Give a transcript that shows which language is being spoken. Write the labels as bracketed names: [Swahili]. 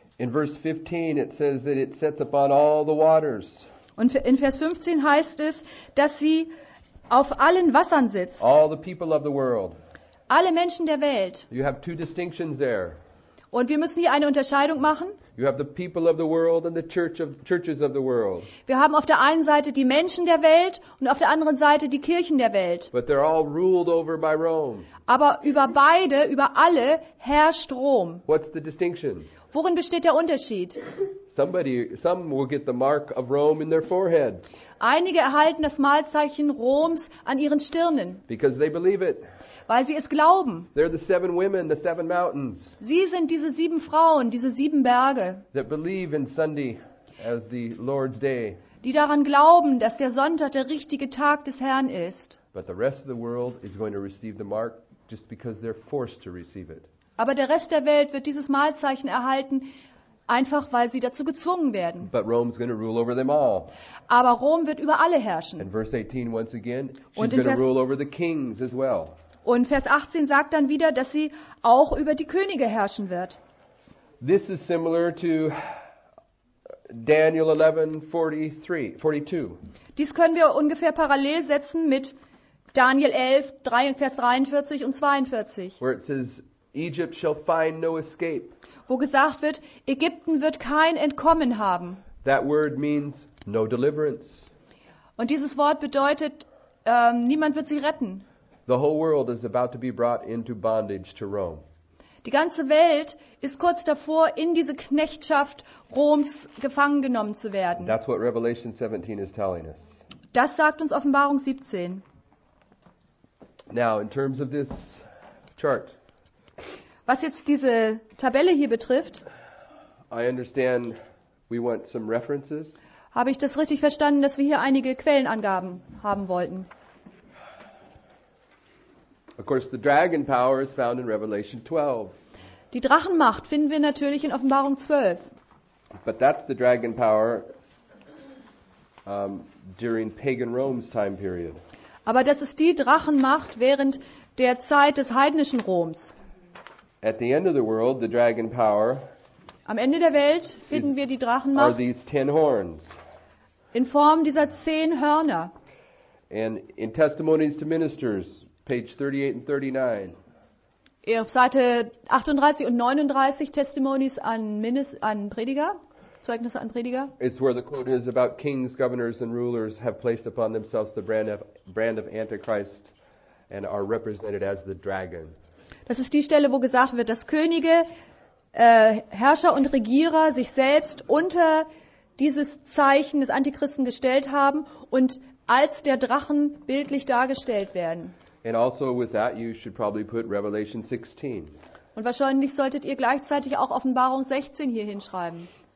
[English] In verse 15 it says that it sets upon all the waters. [German] Und in Vers 15 heißt es, dass sie auf allen Wassern sitzt. [English] All the people of the world. [German] Alle Menschen der Welt. [English] You have two distinctions there. [German] Und wir müssen hier eine Unterscheidung machen. [English] You have the people of the world and the churches of the world. [German] Wir haben auf der einen Seite die Menschen der Welt und auf der anderen Seite die Kirchen der Welt. [English] But they're all ruled over by Rome. [German] Aber über beide, über alle herrscht Rom. [English] What's the distinction? [German] Worin besteht der Unterschied? [English] Some will get the mark of Rome in their forehead. [German] Einige erhalten das Malzeichen Roms an ihren Stirnen. [English] Because they believe it. [German] Weil sie es glauben. [English] They're the seven women, the seven mountains. [German] Sie sind diese sieben Frauen, diese sieben Berge. [English] That believe in Sunday as the Lord's day. [German] Die daran glauben, dass der Sonntag der richtige Tag des Herrn ist. [English] But the rest of the world is going to receive the mark just because they're forced to receive it. [German] Aber der Rest der Welt wird dieses Malzeichen erhalten, einfach weil sie dazu gezwungen werden. [English] But Rome's going to rule over them all. [German] Aber Rom wird über alle herrschen. [English] In verse 18 once again, she's going to rule over the kings as well. [German] Und Vers 18 sagt dann wieder, dass sie auch über die Könige herrschen wird. [English] This is similar to Daniel 11:43-42. [German] Dies können wir ungefähr parallel setzen mit Daniel 11, Vers 43 und 42. [English] Where it says, Egypt shall find no escape. [German] Wo gesagt wird, Ägypten wird kein Entkommen haben. [English] That word means no deliverance. [German] Und dieses Wort bedeutet, niemand wird sie retten. [English] The whole world is about to be brought into bondage to Rome. [German] Die ganze Welt ist kurz davor, in diese Knechtschaft Roms gefangen genommen zu werden. [English] That's what Revelation 17 is telling us. [German] Das sagt uns Offenbarung 17. [English] Now, in terms of this chart. [German] Was jetzt diese Tabelle hier betrifft, [English] I understand we want some references. [German] Habe ich das richtig verstanden, dass wir hier einige Quellenangaben haben wollten? [English] Of course, the dragon power is found in Revelation 12. [German] Die Drachenmacht finden wir natürlich in Offenbarung 12. [English] But that's the dragon power during pagan Rome's time period. [German] Aber das ist die Drachenmacht während der Zeit des heidnischen Roms. [English] At the end of the world, the dragon power. [German] Am Ende der Welt finden wir die Drachenmacht. [English] Are these ten horns? [German] In Form dieser zehn Hörner. [English] And in Testimonies to Ministers, page 38 and 39. [German] Auf Seite 38 und 39 Testimonies an Prediger, Zeugnisse an Prediger. [English] It's where the quote is about kings, governors, and rulers have placed upon themselves the brand of Antichrist and are represented as the dragon. [German] Das ist die Stelle, wo gesagt wird, dass Könige, Herrscher und Regierer sich selbst unter dieses Zeichen des Antichristen gestellt haben und als der Drachen bildlich dargestellt werden. [English] And also with that you should probably put Revelation 16. [German] Und wahrscheinlich solltet ihr gleichzeitig auch Offenbarung 16 hier hinschreiben.